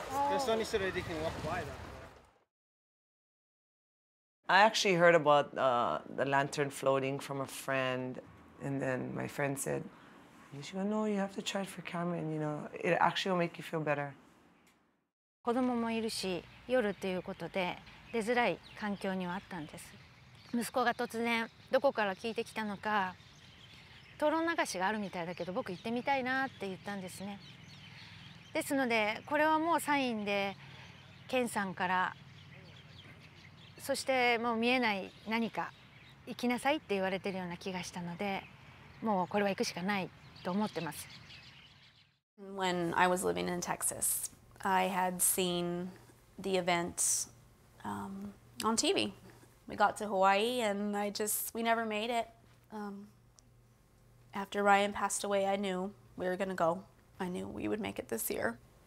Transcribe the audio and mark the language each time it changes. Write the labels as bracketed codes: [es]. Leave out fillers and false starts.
[en] There's only so that they can walk by, though. I actually heard about the lantern floating from a friend, and then my friend said, she goes, no, you have to try it for Cameron, you know. It actually will make you feel better. [ja] 子供もいるし、夜ということで出づらい環境にはあったんです。息子が突然どこから聞いてきたのか、灯籠流しがあるみたいだけど僕行ってみたいなって言ったんですね。ですのでこれはもうサインでケンさんから、そしてもう見えない何か行きなさいって言われてるような気がしたので、もうこれは行くしかないと思ってます。 [en] When I was living in Texas, I had seen the event on TV. We got to Hawaii and we never made it. After Ryan passed away, I knew we were gonna go. I knew we would make it this year.